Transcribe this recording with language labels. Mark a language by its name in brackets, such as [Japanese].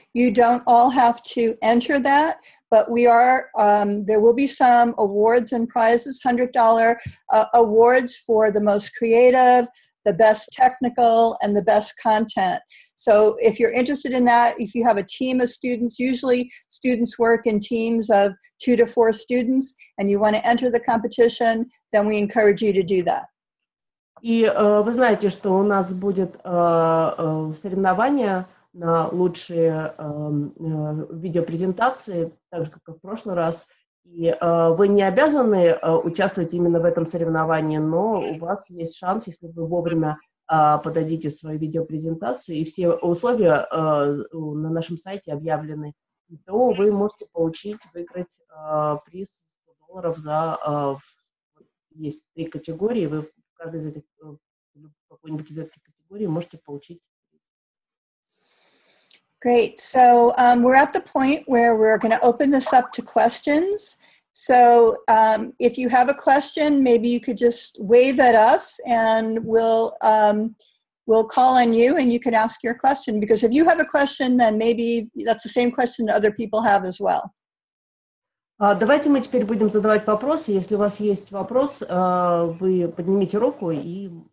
[English] You don't all have to enter that, but we are, there will be some awards and prizes, $100 awards for the most creative, the best technical, and the best content. So if you're interested in that, if you have a team of students, usually students work in teams of 2 to 4 students, and you want to enter the competition, then we encourage you to do that. [Russian] И вы знаете, что у нас будет соревнование на лучшие видеопрезентации, так же, как и в прошлый раз. И вы не обязаны участвовать именно в этом соревновании, но у вас есть шанс, если вы вовремя подадите свою видеопрезентацию, и все условия на нашем сайте объявлены, то вы можете выиграть приз $100 за есть 3 категории, вы каждый из этих, какой-нибудь из этих категорий можете получить [English] Great. So we're at the point where we're going to open this up to questions. So if you have a question, maybe you could just wave at us and we'll call on you and you can ask your question. Because if you have a question, then maybe that's the same question that other people have as well. [Russian] Давайте мы теперь будем задавать вопросы. Если у вас есть вопрос, вы поднимите руку и...